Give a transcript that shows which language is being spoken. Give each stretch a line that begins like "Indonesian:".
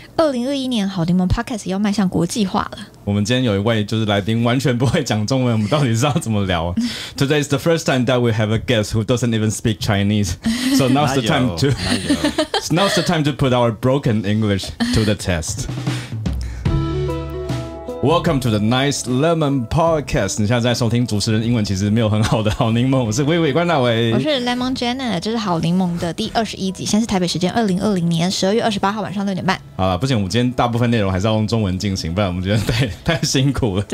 Chinese: 2021年好柠檬 Podcast 要迈向国际化了。我们今天有一位就是来宾完全不会讲中文，我们到底是要怎么聊？
English: Today is the first time that we have a guest who doesn't even speak Chinese. So now's the time to now's the time to put our broken English to the test. Welcome to the Nice Lemon Podcast.
Chinese: 你现在在收听主持人英文其实没有很好的好柠檬，我是微微关大伟，我是 Lemon Janet， 这是好柠檬的第21集，现在是台北时间2020年12月28号晚上6点半。好了，不行，我们今天大部分内容还是要用中文进行，不然我们觉得太辛苦了。